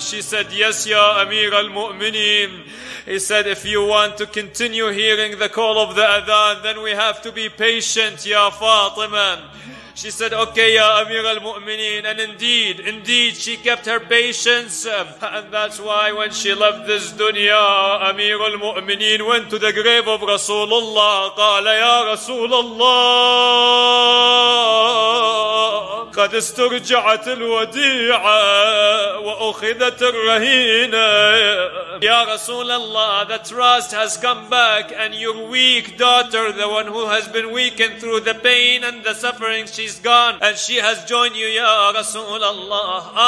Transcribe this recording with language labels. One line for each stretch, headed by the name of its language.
English: She said, yes, Ya Amir al-Mu'mineen. He said, if you want to continue hearing the call of the Adhan, then we have to be patient, Ya Fatima. She said, okay, Ya Amir al-Mu'mineen. And indeed, she kept her patience. And that's why when she left this dunya, Amir al-Mu'mineen went to the grave of Rasulullah.
Arabic: قال, Ya Rasulullah, قد استرجعت الوديعة وأخذت الرهينة.
English: Ya Rasulullah, the trust has come back and your weak daughter, the one who has been weakened through the pain and the suffering, she's gone and she has joined you, Ya Rasulullah.